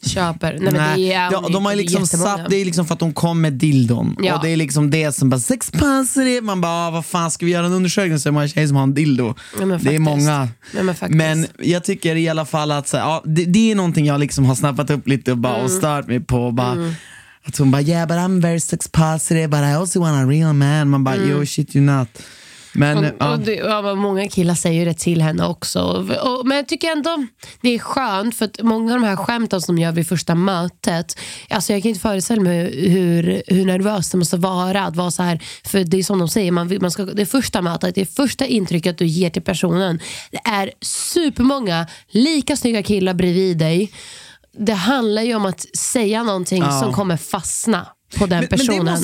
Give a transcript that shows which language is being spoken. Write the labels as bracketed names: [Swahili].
[Swedish] köper. Nej. De har liksom satt, det är liksom för att de kom med dildon. Ja. Och det är liksom det som bara sex passer det. Man bara, vad fan, ska vi göra en undersökning? Så är det många tjejer som har en dildo. Det är många. Men jag tycker i alla fall att så, ja, det är någonting jag liksom har snappat upp lite och bara och stört mig på. Och bara, att hon bara, [English] yeah, but I'm very sex positive, but I also want a real man. [Swedish] Man bara, [English] yo, shit, you're not. [Swedish] Men, många killar säger det till henne också men jag tycker ändå det är skönt, för att många av de här skämten som gör vid första mötet, alltså jag kan inte föreställa mig hur nervös det måste vara att vara så här, för det är som de säger, man ska, det första mötet, det första intrycket du ger till personen, det är supermånga lika snygga killar bredvid dig, det handlar ju om att säga någonting som kommer fastna på den personen.